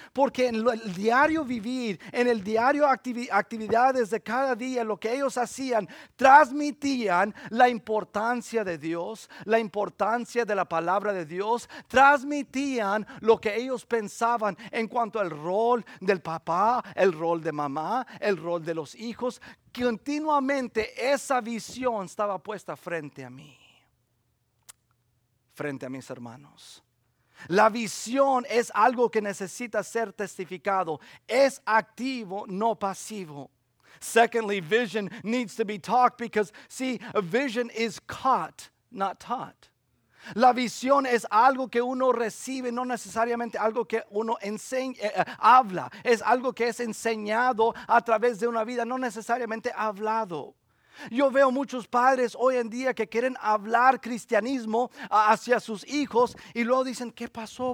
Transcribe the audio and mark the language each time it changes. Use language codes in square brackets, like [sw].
[es] Porque en el diario vivir, en el diario actividades de cada día, lo que ellos hacían, transmitían la importancia de Dios, la importancia de la palabra de Dios, transmitían lo que ellos pensaban en cuanto al rol del papá, el rol de mamá, el rol de los hijos. Continuamente esa visión estaba puesta frente a mis hermanos. La visión es algo que necesita ser testificado. Es activo, no pasivo. [en] Secondly, vision needs to be talked because, see, a vision is caught, not taught. [es] La visión es algo que uno recibe, no necesariamente algo que uno habla. Es algo que es enseñado a través de una vida, no necesariamente hablado. Yo veo muchos padres hoy en día que quieren hablar cristianismo hacia sus hijos y luego dicen, ¿qué pasó?